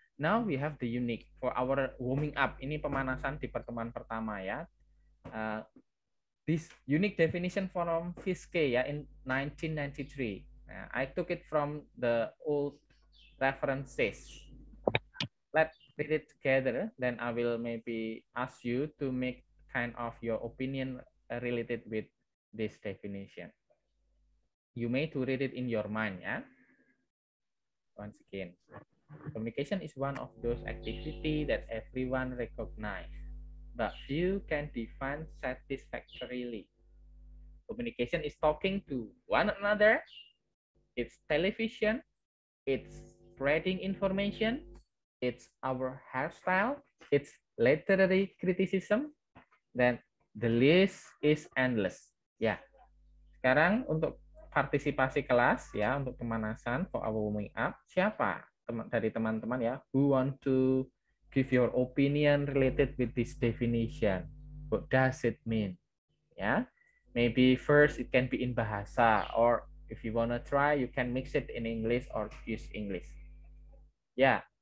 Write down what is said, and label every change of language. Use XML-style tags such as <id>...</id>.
<en>Now we have the unique for our warming up.</en> <id>Ini pemanasan di pertemuan pertama, ya.</id> <en>This unique definition from FISK, ya, in 1993. I took it from the old references. Let's read it together. Then I will maybe ask you to make kind of your opinion related with this definition. You may to read it in your mind, ya. Once again. Communication is one of those activities that everyone recognizes, but few can define satisfactorily. Communication is talking to one another, it's television, it's spreading information, it's our hairstyle, it's literary criticism, then the list is endless. Yeah.</en> <id>Sekarang untuk partisipasi kelas, ya, untuk pemanasan</id> <en>for our warming up,</en> <id>siapa? Dari teman-teman,</id> <en>ya, who want to give your opinion related with this definition, what does it mean, ya, yeah. Maybe first it can be in bahasa, or if you wanna try you can mix it in English or use English, ya, yeah.</en>